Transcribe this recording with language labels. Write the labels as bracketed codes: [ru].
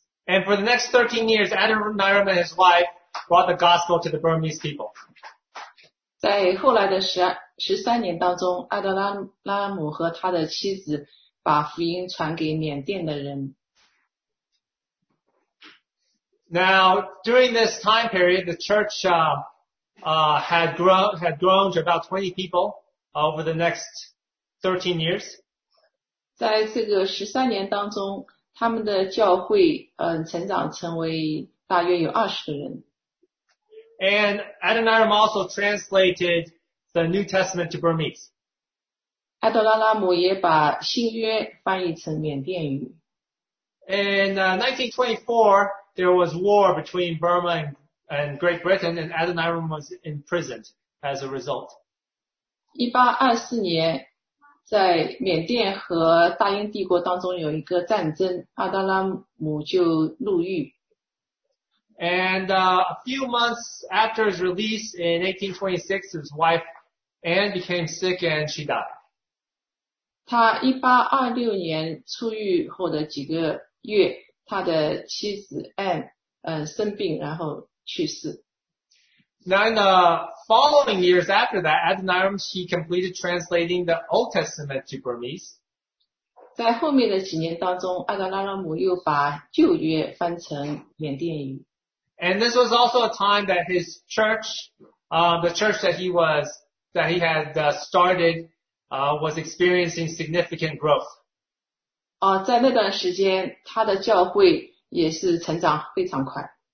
[en] And for the next 13 years, Adoniram and his wife brought the gospel to the Burmese people. [zh] 在后来的13年当中，艾德拉姆和他的妻子把福音传给缅甸的人。 [en] Now, during this time period, the church had grown to about 20 people over the next 13 years. [zh] 在这个13年当中，他们的教会成长成为大约有20个人。 [en] And Adoniram also translated the New Testament to Burmese. [zh] 艾多纳拉姆也把新约翻译成缅甸语。 [en] In 1924, there was war between Burma and Great Britain, and Adoniram was imprisoned as a result. [zh] 1824年，在缅甸和大英帝国当中有一个战争，艾多纳拉姆就入狱。 [en] And a few months after his release in 1826, his wife Anne became sick and she died. [zh] 他1826年出狱后的几个月，他的妻子 Anne 生病然后去世。 [en] Now in the following years after that, Adoniram he completed translating the Old Testament to Burmese. [zh] 在后面的几年当中，艾多纳拉姆又把旧约翻成缅甸语。 [en] And this was also a time that his church, the church that he had started, was experiencing significant growth. [zh] 在那段时间，他的教会也是成长非常快。